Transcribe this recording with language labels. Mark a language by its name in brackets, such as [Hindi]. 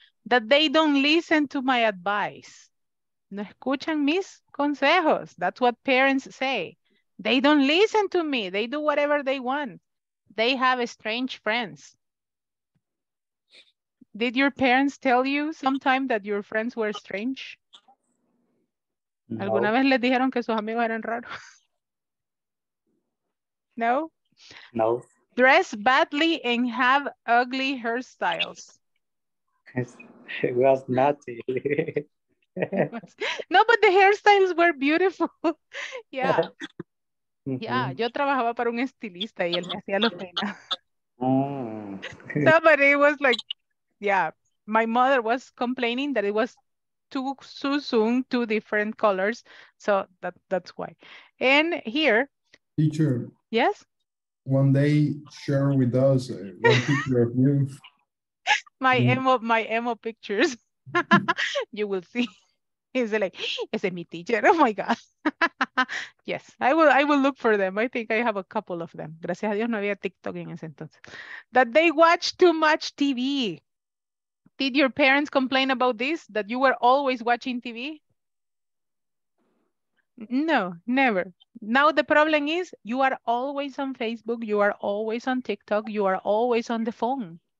[English] That they don't listen to my advice. [Spanish] No escuchan mis consejos. [English] That's what parents say. They don't listen to me. They do whatever they want. They have strange friends. Did your parents tell you sometime that your friends were strange? No. [Spanish] ¿Alguna vez les dijeron que sus amigos eran raros? [English] No? No. Dress badly and have ugly hairstyles. It was naughty. No, but the hairstyles were beautiful. Yeah. Mm-hmm. [Spanish] Yeah, yo trabajaba para un estilista y él me hacía los peinados. [English] No, but it was like, yeah, my mother was complaining that it was too soon, two different colors. So that's why. And here. Teacher. Yes? One day, share with us one picture of you. My emo pictures. You will see. He's like, [Spanish] ese es mi teacher. [English] Oh my God. Yes, I will look for them. I think I have a couple of them. [Spanish] Gracias a Dios no había TikTok en ese entonces. [English] That they watch too much TV. Did your parents complain about this, that you were always watching TV? No, never. Now the problem is you are always on Facebook, you are always on TikTok, you are always on the phone.